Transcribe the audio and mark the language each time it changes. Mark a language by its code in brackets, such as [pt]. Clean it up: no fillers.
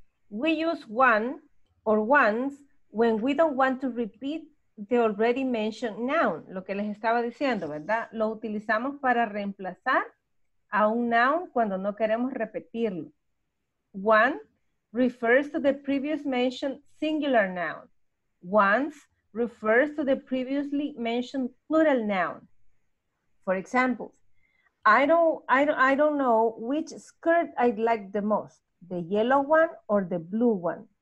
[en] We use one or ones when we don't want to repeat the already mentioned noun. [es] Lo que les estaba diciendo, ¿verdad? Lo utilizamos para reemplazar a un noun cuando no queremos repetirlo. [en] One refers to the previous mentioned singular noun. Once refers to the previously mentioned plural noun. For example, I don't know which skirt I like the most, the yellow one or the blue one.